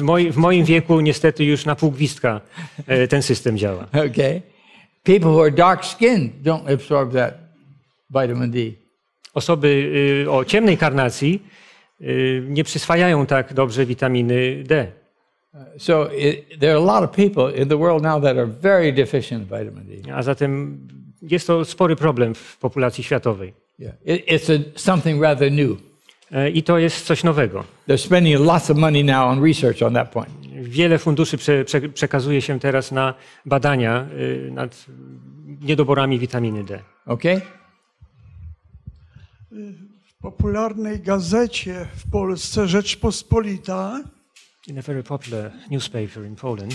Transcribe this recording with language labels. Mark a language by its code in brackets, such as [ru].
[pl] W moim wieku niestety już na pół gwizdka ten system działa. [en] Okay. People who are dark skinned don't absorb that vitamin D. [pl] Osoby o ciemnej karnacji nie przyswajają tak dobrze witaminy D. [en] So there are a lot of people in the world now that are very deficient in vitamin D. [pl] A zatem jest to spory problem w populacji światowej. [en] Yeah. It's something rather new. [pl] I to jest coś nowego. [en] They're spending lots of money now on research on that point. [pl] Wiele funduszy przekazuje się teraz na badania nad niedoborami witaminy D. [en] Okay. [pl] W popularnej gazecie w Polsce Rzeczpospolita. [en] In a very popular newspaper in Poland.